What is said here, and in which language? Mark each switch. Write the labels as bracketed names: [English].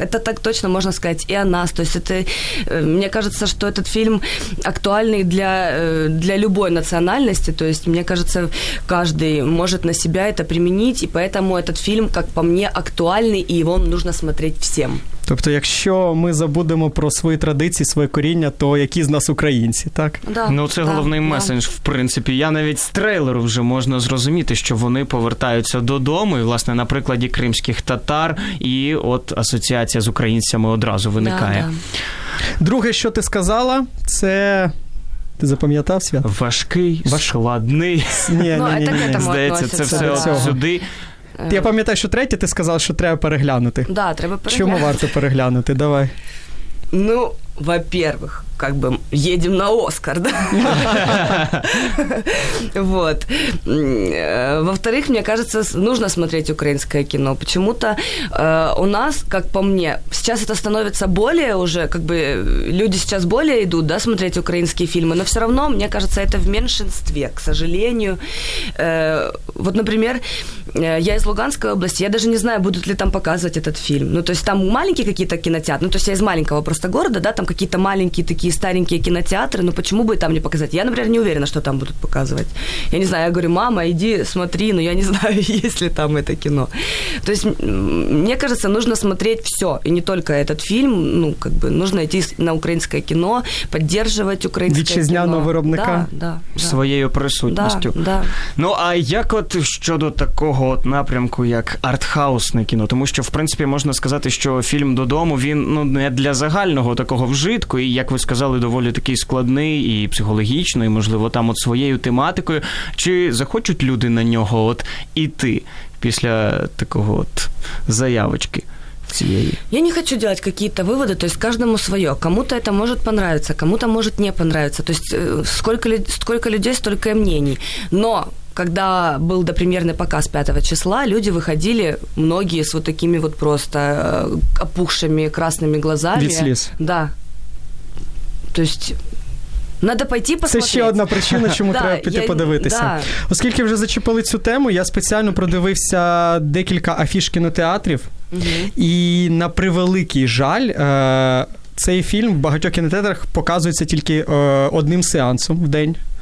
[Russian] Это так точно можно сказать, и о нас. То есть это, мне кажется, что этот фильм актуальный для, для любой национальности. То есть, мне кажется, каждый может на себя это применить, и поэтому этот фильм, как по мне, актуальный, и его нужно смотреть всем. [Ukrainian] Тобто, якщо ми забудемо про свої традиції, своє коріння, то які з нас українці, так? [Russian] Да, [Ukrainian] ну, це [Russian] да, [Ukrainian] головний меседж, да. В принципі. Я навіть з трейлеру вже можна зрозуміти, що вони повертаються додому, і, власне, на прикладі кримських татар, і от асоціація з українцями одразу виникає. [Russian] Да, да. [Ukrainian] Друге, що ти сказала, це... Ти запам'ятав свят? Важкий, складний. Ні. Здається, це все сюди... Я пам'ятаю, що третє ти сказав, що треба переглянути. Да, треба переглянути. Чому варто переглянути? Давай. [Russian] Ну, во-первых, как бы едем на Оскар, да? Вот. Во-вторых, мне кажется, нужно смотреть украинское кино. Почему-то у нас, как по мне, сейчас это становится более уже, как бы люди сейчас более идут, да, смотреть украинские фильмы, но все равно, мне кажется, это в меньшинстве, к сожалению. Вот, например, Я из Луганской области, я даже не знаю, будут ли там показывать этот фильм. Ну, то есть там маленькие какие-то кинотеатры, ну, то есть я из маленького просто города, да, там какие-то маленькие такие старенькие кинотеатры, ну, почему бы там не показать? Я, например, не уверена, что там будут показывать. Я не знаю, я говорю, мама, иди, смотри, но я не знаю, есть ли там это кино. То есть, мне кажется, нужно смотреть все, и не только этот фильм, ну, как бы, нужно идти на украинское кино, поддерживать украинское [Ukrainian] вітчизняного [Russian] кино. [Ukrainian] Виробника. [Russian] Да, да, [Ukrainian] своєю присутністю. [Russian] Да, да. [Ukrainian] Ну, а як от щодо такого напрямку, як артхаусне кіно. Тому що, в принципі, можна сказати, що фільм «Додому», він, ну, не для загального такого вжитку, і, як ви сказали, доволі такий складний і психологічно, і, можливо, там от своєю тематикою. Чи захочуть люди на нього от іти після такого от заявочки? [Russian] Я не хочу делать какие-то выводы, то есть каждому свое. Кому-то это может понравиться, кому-то может не понравиться. То есть сколько людей, столько и мнений. Но когда был допремьерный показ 5 числа, люди выходили, многие с вот такими вот просто опухшими красными глазами. Без слез. Да. То есть... Надо пойти посмотреть. [Ukrainian] Це ще одна причина, чому треба піти подивитися. [Russian] Да. [Ukrainian] Оскільки вже зачепили цю тему, я спеціально продивився декілька афіш кінотеатрів. І на превеликий жаль, цей фільм в багатьох кінотеатрах показується тільки одним сеансом в день.